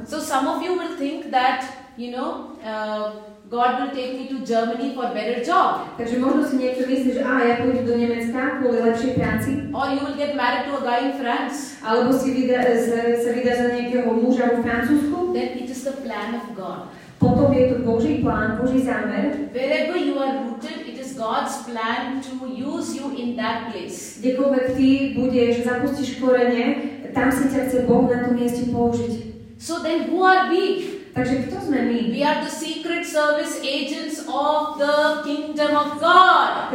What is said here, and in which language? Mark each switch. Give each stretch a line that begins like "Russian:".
English: So some of you will think that, you know, God will take me to Germany for better job.
Slovak: Takže možno si niekto myslí, že ja pôjdem do Nemecka kvôli lepšej práci.
English: Or you will get married to a guy in France.
Slovak: Alebo si vydá za nejakého muža vo Francúzsku.
English: Then it is the plan of God.
Slovak: Potom je to Boží plán, Boží zámer.
English: Wherever you are rooted, it is God's plan to use you in that place.
Slovak: Kdekoľvek ty budeš, zapustíš korene, tam si ťa chce Boh na tom mieste použiť.
English: So then who are we?
Slovak: Takže kto sme my?
English: We are the secret service agents of the kingdom of God.